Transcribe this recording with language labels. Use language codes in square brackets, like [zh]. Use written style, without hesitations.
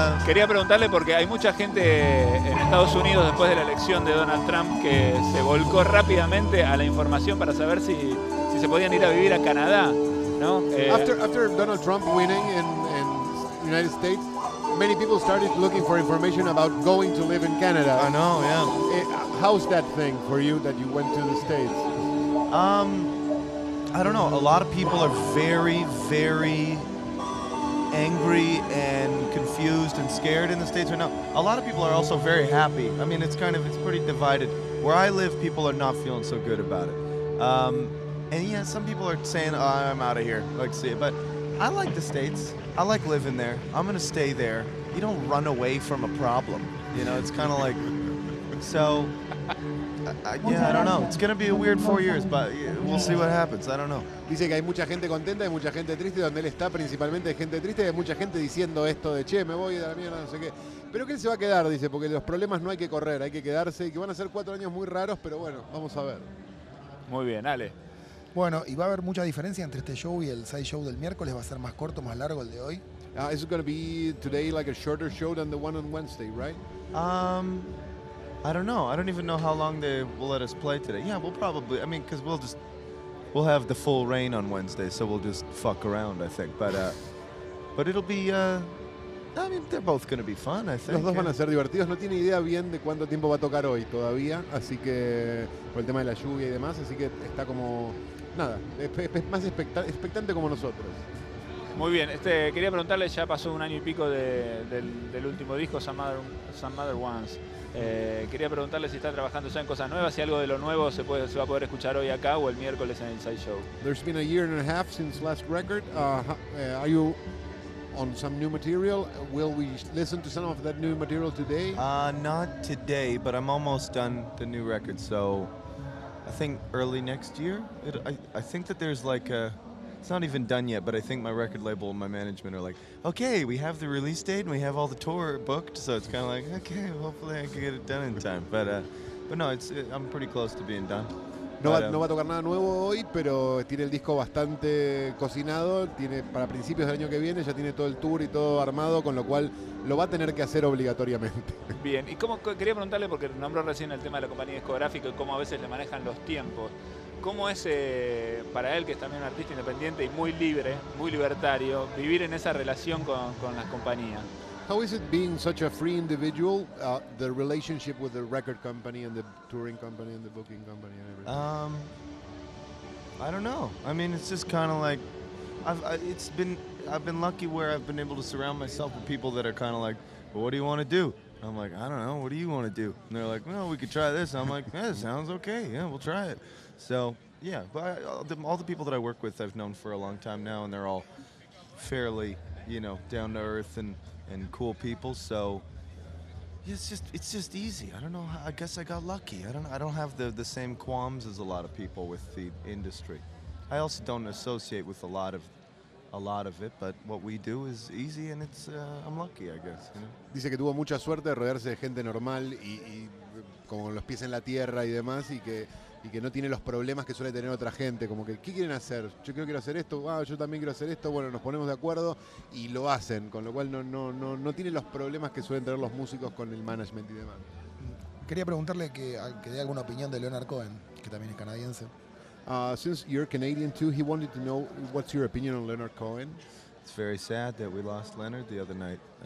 [es] quería preguntarle porque hay mucha gente en Estados Unidos después de la elección de Donald Trump que se volcó rápidamente a la información para saber si se podían ir a vivir a Canadá, ¿no? [en] After Donald Trump winning in the United States, many people started looking for information about going to live in Canada. I know, yeah. How's that thing for you that you went to the States? I don't know. A lot of people are very, very angry and confused and scared in the States right now. A lot of people are also very happy. I mean, it's pretty divided. Where I live, people are not feeling so good about it. And yeah, some people are saying, oh, I'm out of here. Like, see it. But I like the States. I like living there. I'm going to stay there. You don't run away from a problem. You know, it's kind of like, so... yeah, I don't know. It's going to be a weird 4 years, but we'll see what happens. I don't know. [es] Dice que hay mucha gente contenta, hay mucha gente triste. Donde él está, principalmente hay gente triste. Hay mucha gente diciendo esto de, che, me voy de la mierda, no sé qué. Pero que él se va a quedar, dice, porque los problemas no hay que correr, hay que quedarse. Y que van a ser 4 años muy raros, pero bueno, vamos a ver. Muy bien, Ale. Bueno, ¿y va a haber mucha diferencia entre este show y el side show del miércoles? ¿Va a ser más corto, más largo el de hoy? [en] Is it going to be today like a shorter show than the one on Wednesday, right? I don't know. I don't even know how long they will let us play today. Yeah, we'll probably, I mean, because we'll just, we'll have the full rain on Wednesday, so we'll just fuck around, I think. But it'll be, I mean, they're both going to be fun, I think. [es] Los dos van a ser divertidos. No tiene idea bien de cuánto tiempo va a tocar hoy todavía, así que, por el tema de la lluvia y demás, así que está como, nada, es más expectante como nosotros. Muy bien, quería preguntarle, ya pasó un año y pico del último disco, Some Other Ones. Quería preguntarle si está trabajando ya en cosas nuevas, si algo de lo nuevo se va a poder escuchar hoy acá o el miércoles en el Sideshow. [en] There's been a year and a half since last record. Are you on some new material? Will we listen to some of that new material today? Not today, but I'm almost done the new record, so I think early next year. I think that there's like a... It's not even done yet, but I think my record label and my management are like, okay, we have the release date and we have all the tour booked, so it's kind of like, okay, hopefully I can get it done in time. But no, I'm pretty close to being done. [es] No va a tocar nada nuevo hoy, pero tiene el disco bastante cocinado. Tiene para principios del año que viene, ya tiene todo el tour y todo armado, con lo cual lo va a tener que hacer obligatoriamente. Bien, y como quería preguntarle, porque nombró recién el tema de la compañía discográfica y cómo a veces le manejan los tiempos. ¿Cómo es para él, que es también un artista independiente y muy libre, muy libertario, vivir en esa relación con las compañías? [en] How is it being such a free individual, the relationship with the record company and the touring company and the booking company and everything? I don't know. I mean, it's just kind of like, I've been lucky where I've been able to surround myself with people that are kind of like, well, what do you want to do? I'm like, I don't know, what do you want to do? And they're like, well, we could try this. I'm like, yeah, sounds okay. Yeah, we'll try it. So, yeah, but all the people that I work with, I've known for a long time now, and they're all fairly, you know, down to earth and cool people. So, it's just easy. I don't know. I guess I got lucky. I don't have the same qualms as a lot of people with the industry. I also don't associate with a lot of it, but what we do is easy, and I'm lucky, I guess. You know? [es] Dice que tuvo mucha suerte de rodearse de gente normal y como los pies en la tierra y demás, y que no tiene los problemas que suele tener otra gente, como que, ¿qué quieren hacer? Yo quiero hacer esto, yo también quiero hacer esto, bueno, nos ponemos de acuerdo y lo hacen, con lo cual no tiene los problemas que suelen tener los músicos con el management y demás. Quería preguntarle que dé alguna opinión de Leonard Cohen, que también es canadiense. [en] Since you're Canadian too, he wanted to know what's your opinion on Leonard Cohen. It's very sad that we lost Leonard the other night.